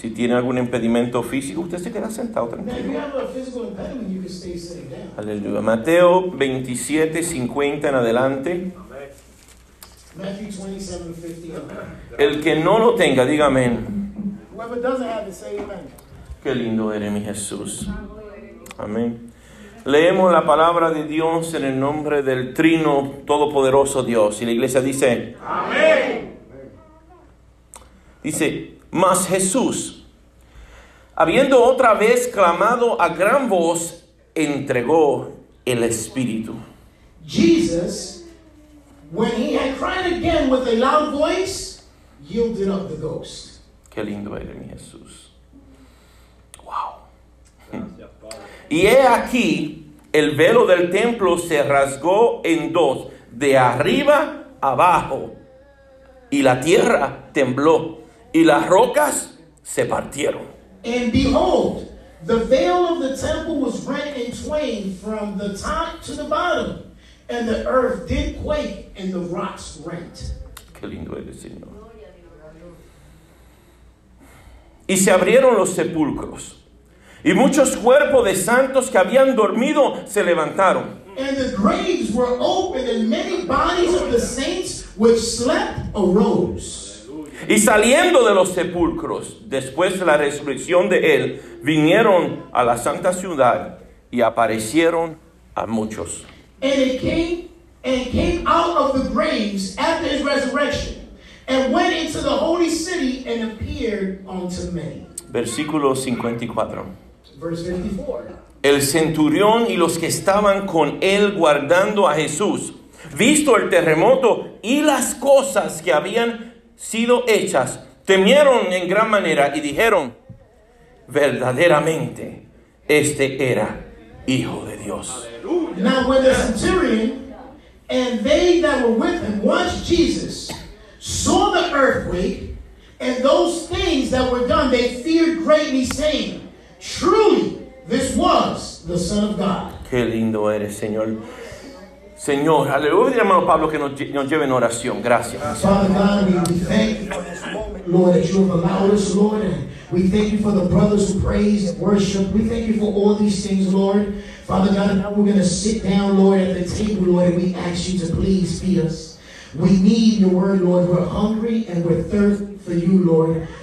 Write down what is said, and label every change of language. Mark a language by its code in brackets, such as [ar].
[es] Si tiene algún impedimento físico, usted se queda sentado tranquilo. [en] Now, if you have a physical impediment, you can stay sitting down. [es] Aleluya. Mateo 27, 50 en adelante. [en] Matthew 27, 50. [es] El que no lo tenga, diga amén. [en] Whoever doesn't have it, say amen. [es] Qué lindo eres, mi Jesús. Amén. Leemos la palabra de Dios en el nombre del Trino Todopoderoso Dios. Y la iglesia dice: Amén. Dice: Mas Jesús, habiendo otra vez clamado a gran voz, entregó el Espíritu. [en] Jesus, when he had cried again with a loud voice, yielded up the ghost. [es] Qué lindo eres, mi Jesús. Wow. Y he aquí, el velo del templo se rasgó en dos, de arriba abajo, y la tierra tembló, y las rocas se partieron. [en] And behold, the veil of the temple was rent in twain from the top to the bottom, and the earth did quake, and the rocks rent. [es] Qué lindo eres, Señor. Y se abrieron los sepulcros. Y muchos cuerpos de santos que habían dormido se levantaron. [en] And the graves were opened, and many bodies of the saints which slept arose. [es] Y saliendo de los sepulcros, después de la resurrección de él, vinieron a la santa ciudad y aparecieron a muchos. [en] And came out of the graves after his resurrection, and went into the holy city and appeared unto many. [es] Versículo 54. [en] Verse 54. [es] El centurión y los que estaban con él guardando a Jesús, visto el terremoto y las cosas que habían sido hechas, temieron en gran manera y dijeron: verdaderamente, este era Hijo de Dios. Aleluya. [en] Now when the centurion and they that were with him watched Jesus, saw the earthquake and those things that were done, they feared greatly, saying: truly, this was the Son of God. [es] Qué lindo eres, Señor. Señor, aleluya, hermano Pablo, que nos lleve en oración. Gracias. [en] Father God, we thank you for this moment, Lord, that you have allowed us, Lord. And we thank you for the brothers who praise and worship. We thank you for all these things, Lord. Father God, now we're going to sit down, Lord, at the table, Lord, and we ask you to please feed us. We need your word, Lord. We're hungry and we're thirsty for you, Lord.